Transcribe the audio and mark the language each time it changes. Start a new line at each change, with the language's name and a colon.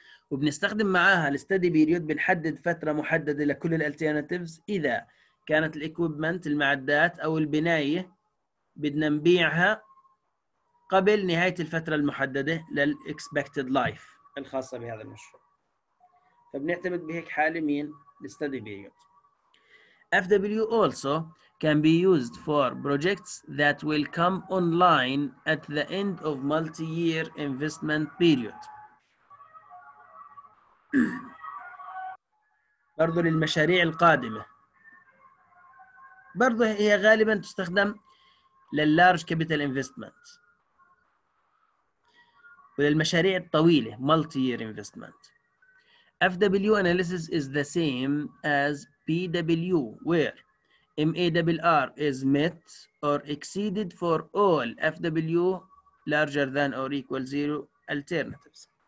Arabic: وبنستخدم معاها الستدي بيريود، بنحدد فترة محددة لكل الالتيرناتيفز إذا كانت الإكويبمنت المعدات أو البناية بدنا نبيعها قبل نهاية الفترة المحددة للإكسبكتد لايف الخاصة بهذا المشروع. فبنعتمد بهيك حالة مين؟ الستدي بيريود.
English: FW also can be used for projects that will come online at the end of multi-year investment period.
Arabic: برضو للمشاريع القادمة، برضو هي غالبا تستخدم لللارج كابيتال انفستمنت وللمشاريع الطويلة مالتي يير انفستمنت.
English: FW analysis is the same as PW, where MAWR is met or exceeded for all FW larger than or equal zero alternatives.